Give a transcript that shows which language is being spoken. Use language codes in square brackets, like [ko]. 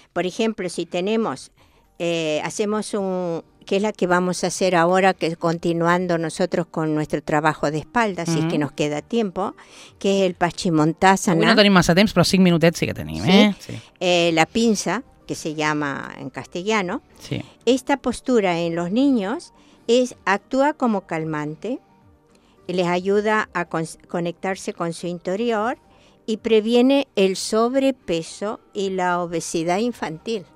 [es] Por ejemplo, si tenemos, hacemos un, que es la que vamos a hacer ahora, que continuando nosotros con nuestro trabajo de espalda, si es que nos queda tiempo, que es el Paschimottasana. [ca] Avui no tenim massa temps, però 5 minutets sí que tenim. [es] La pinza, que se llama en castellano. Sí. Esta postura en los niños actúa como calmante, les ayuda a conectarse con su interior y previene el sobrepeso y la obesidad infantil.